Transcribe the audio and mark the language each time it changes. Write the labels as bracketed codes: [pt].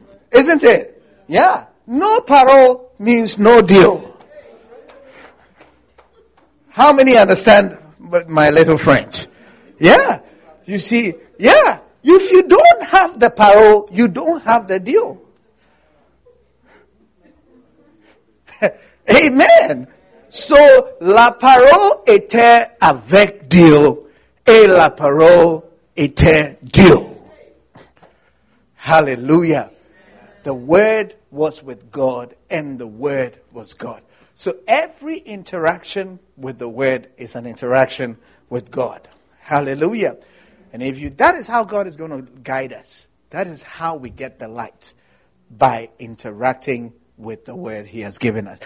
[en] Isn't it? Yeah. No [fr] parole [en] means no [fr] Dieu. [en] How many understand my little French? Yeah. You see, yeah. If you don't have the [fr] parole, [en] you don't have the [fr] Dieu. [en] Amen. [fr] So, la parole était avec Dieu, et la parole était Dieu. [en] Hallelujah. The word was with God, and the word was God. So, every interaction with the word is an interaction with God. Hallelujah. And if you, that is how God is going to guide us. That is how we get the light, by interacting with the word he has given us.